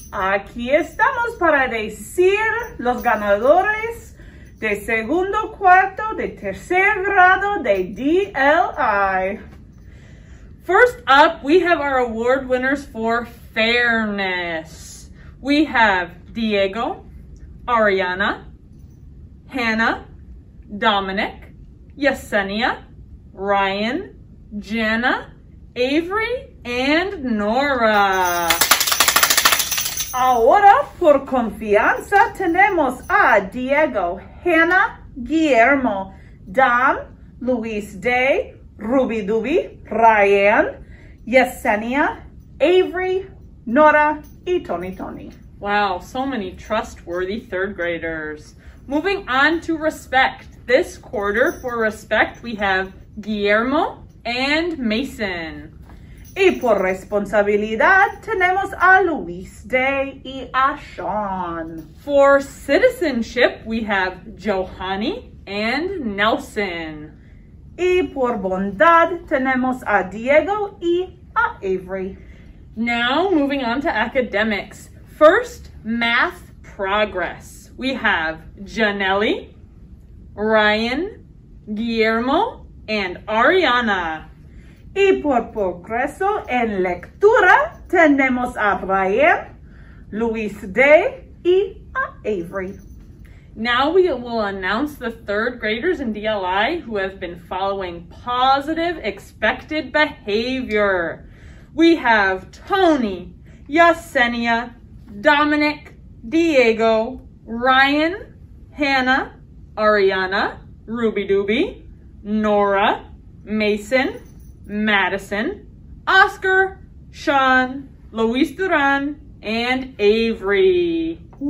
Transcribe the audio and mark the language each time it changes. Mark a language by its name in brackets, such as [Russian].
[Spanish] Aquí estamos para decir los ganadores de segundo cuarto de tercer grado de DLI. [English] First up, we have our award winners for fairness. We have Diego, Ariana, Hannah, Dominic, Yesenia, Ryan, Jenna, Avery, and Nora. [Spanish] Ahora, por confianza, tenemos a Diego, Hannah, Guillermo, Dom, Luis Day, Ruby Duby, Ryan, Yesenia, Avery, Nora, y Tony Tony. [English] Wow, so many trustworthy third graders. Moving on to respect. This quarter, for respect, we have Guillermo and Mason. [Spanish] Y por responsabilidad, tenemos a Luis Day y a Sean. [English] For citizenship, we have Johanny and Nelson. [Spanish] Y por bondad, tenemos a Diego y a Avery. [English] Now, moving on to academics. First, math progress. We have Janelli, Ryan, Guillermo, and Ariana. [Spanish] Y por progreso en lectura, tenemos a Ryan, Luis Day, y a Avery. [English] Now we will announce the third graders in DLI who have been following positive expected behavior. We have Tony, Yesenia, Dominic, Diego, Ryan, Hannah, Ariana, Ruby Dooby, Nora, Mason, Madison, Oscar, Sean, Luis Duran, and Avery.